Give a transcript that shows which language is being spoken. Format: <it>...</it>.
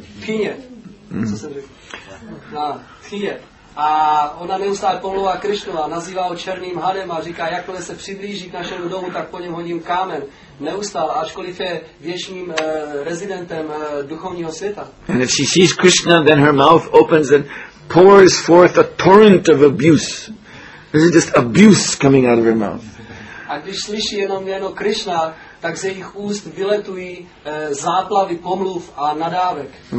<cs>Tchyně, co jsem řekl? Na tchyně. A ona neustále pomlouvá Krishnu a nazývá ho černým hadem a říká, jakmile se přiblíží k našemu domu, tak po něm hodím kámen. Neustále, ačkoliv je věčným rezidentem duchovního světa.</cs> <en>And if she sees Krishna, then her mouth opens and pours forth a torrent of abuse. This is just abuse coming out of her mouth.</en> <cs>A když slyší jenom jméno Krishna, tak ze jejich úst vyletují záplavy pomluv a nadávek.</cs>